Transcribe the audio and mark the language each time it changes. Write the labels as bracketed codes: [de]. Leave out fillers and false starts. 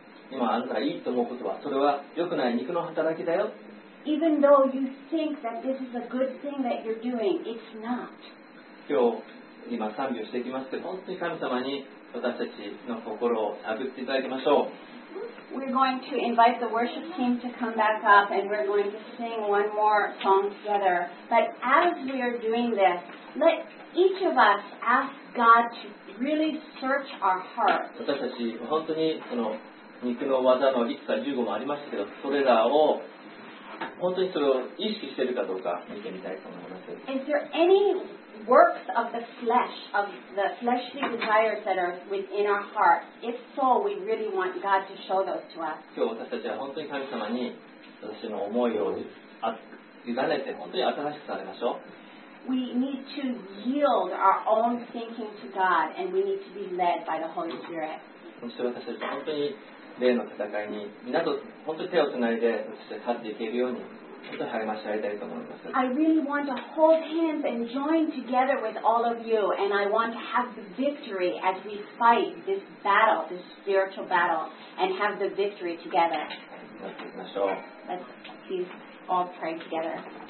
[ja] 今あなたがいいと思うことはそれは良くない肉の働きだよ。 [en] Even though you think that this is a good thing that you're doing, it's not. [ja] 今日今賛美をしていきますけど、本当に神様に私たちの心を探っていただきましょう。 [en] We're going to invite the worship team to come back up and we're going to sing one more song together. But as we are doing this, let each of us ask God to really search our hearts. [ja] 私たち本当にその肉の技の1か15もありましたけど、それらを本当にそれを意識しているかどうか見てみたいと思います。 [en] Is there any works of the flesh, of the fleshly desires that are within our heart? If so, we really want God to show those to us. [ja] 今日私たちは本当に神様に私の思いを委ねて本当に新しくされましょう。 [en] We need to yield our own thinking to God and we need to be led by the Holy Spirit. [ja] そして私たちは本当に霊の戦いに皆と本当に手をつないで立っていけるように本当に励まし合いたいと思います。 [en] I really want to hold hands and join together with all of you and I want to have the victory as we fight this battle, this spiritual battle and have the victory together. Let's please all pray together.